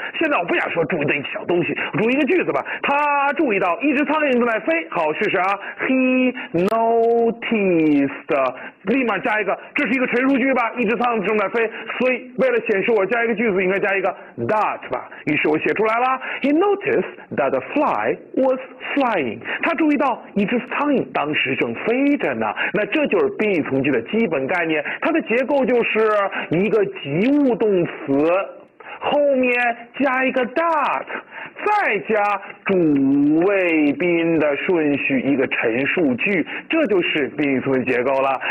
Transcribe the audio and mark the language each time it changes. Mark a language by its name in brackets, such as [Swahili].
[Chinese] 现在我不想说注意的一小东西，注意一个句子吧。他注意到一只苍蝇正在飞。好，试试啊。 [English] He noticed， [Chinese] 立马加一个，这是一个陈述句吧，一只苍蝇正在飞，所以为了显示我加一个句子，应该加一个 that 吧。于是我写出来了， [English] He noticed that a fly was flying。 [Chinese] 他注意到一只苍蝇当时正飞着呢。那这就是宾语从句的基本概念，它的结构就是一个及物动词后面加一个 that， 再加主谓宾的顺序，一个陈述句，这就是宾语从句结构了。